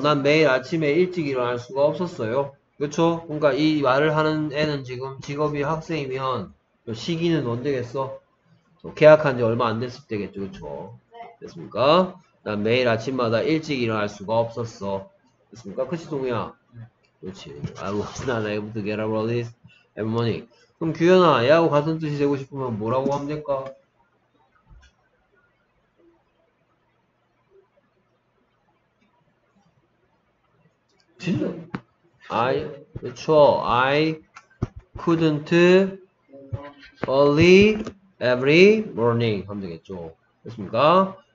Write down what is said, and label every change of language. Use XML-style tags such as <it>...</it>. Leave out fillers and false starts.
<ko>난 매일 아침에 일찍 일어날 수가 없었어요. 그렇죠. 그러니까 이 말을 하는 애는 지금 직업이 학생이면 시기는 언제겠어? 계약한 지 얼마 안 됐을 때겠죠. 그렇죠. 됐습니까? 난 매일 아침마다 일찍 일어날 수가 없었어. 됐습니까? 그치 동이야? 그렇지.</ko> <en>I was not able to get up early every morning.</en> <ko>그럼 규현아, 얘하고 같은 뜻이 되고 싶으면 뭐라고 하면 될까? 진짜? I, 그쵸.</ko> <en>I couldn't early every morning</en> <ko>하면 되겠죠. 됐습니까?</ko>